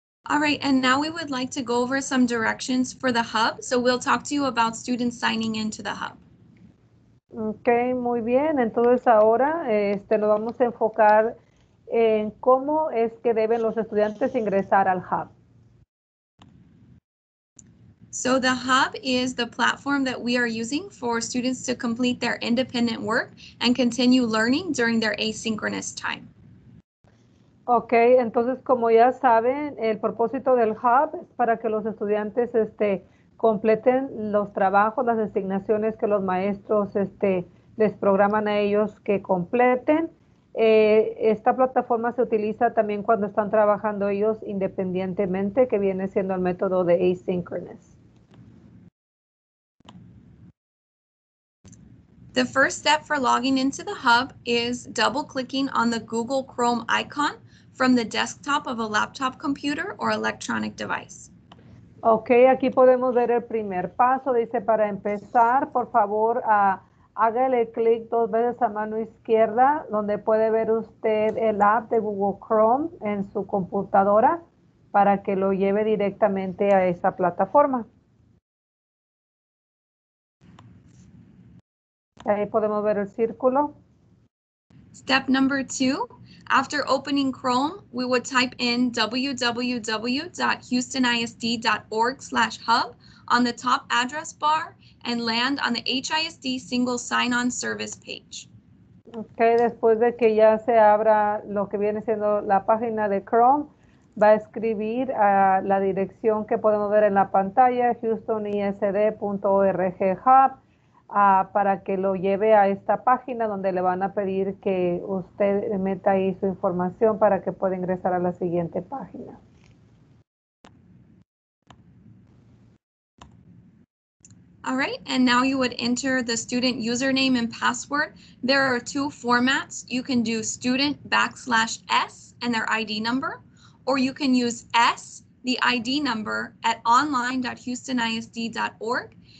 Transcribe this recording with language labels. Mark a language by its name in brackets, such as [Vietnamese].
[English] All right, and now we would like to go over some directions for the hub. So we'll talk to you about students signing into the hub. [Spanish] Okay, muy bien. Entonces ahora nos vamos a enfocar en cómo es que deben los estudiantes ingresar al hub. [English] So the hub is the platform that we are using for students to complete their independent work and continue learning during their asynchronous time. [Spanish] Ok, entonces como ya saben, el propósito del hub es para que los estudiantes completen los trabajos, las asignaciones que los maestros les programan a ellos que completen. Esta plataforma se utiliza también cuando están trabajando ellos independientemente, que viene siendo el método de asynchronous. [English] The first step for logging into the hub is double-clicking on the Google Chrome icon from the desktop of a laptop computer or electronic device. [Spanish] Okay, aquí podemos ver el primer paso. Dice, para empezar, por favor, hágale clic dos veces a mano izquierda donde puede ver usted el app de Google Chrome en su computadora para que lo lleve directamente a esa plataforma. Ahí podemos ver el círculo. [English] Step number two, after opening Chrome, we would type in www.houstonisd.org/hub on the top address bar and land on the HISD single sign-on service page. [Spanish] Okay, después de que ya se abra lo que viene siendo la página de Chrome, va a escribir la dirección que podemos ver en la pantalla, houstonisd.org/hub. Para que lo lleve a esta página donde le van a pedir que usted meta ahí su información para que pueda ingresar a la siguiente página. [English] All right, and now you would enter the student username and password. There are two formats. You can do student /S and their ID number, or you can use S, the ID number, at online.houstonisd.org.